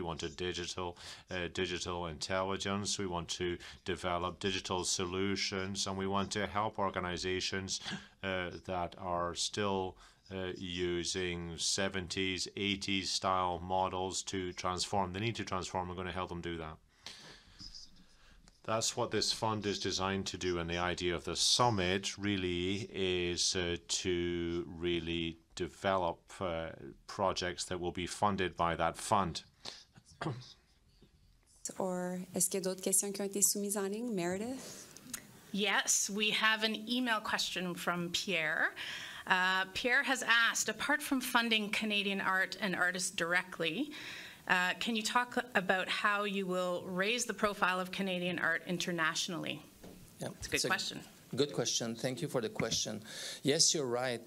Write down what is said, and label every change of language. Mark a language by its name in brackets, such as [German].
[English] We want a digital intelligence. We want to develop digital solutions, and we want to help organizations that are still using 70s, 80s style models to transform. They need to transform. We're going to help them do that. That's what this fund is designed to do, and the idea of the summit really is to really develop projects that will be funded by that fund. [French] Or est-ce qu'il y a d'autres questions qui ont été soumises en ligne, Meredith? [English] Yes, we have an email question from Pierre. Pierre has asked, apart from funding Canadian art and artists directly, can you talk about how you will raise the profile of Canadian art internationally? It's a good question. Good question. Thank you for the question. Yes, you're right.